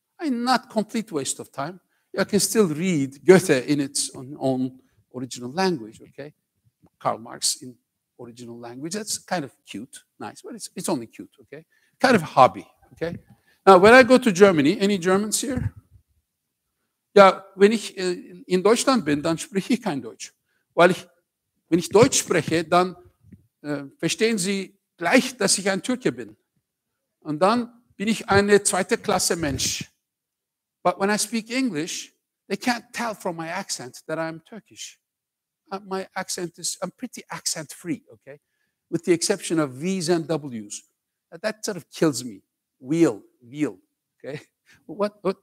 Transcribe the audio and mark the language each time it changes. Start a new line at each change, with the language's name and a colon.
English: Not complete waste of time. I can still read Goethe in its own original language, okay? Karl Marx in original language. That's kind of cute, nice, but it's only cute, okay? Kind of hobby, okay? Now, when I go to Germany, any Germans here?
German: Ja, wenn ich in Deutschland bin, dann spreche ich kein Deutsch. Weil ich, wenn ich Deutsch spreche, dann verstehen Sie gleich, dass ich ein Türke bin. Und dann bin ich eine zweite Klasse Mensch.
English: But when I speak English, they can't tell from my accent that I'm Turkish. My accent is, I'm pretty accent-free, okay? With the exception of V's and W's. That sort of kills me. Wheel, okay? What?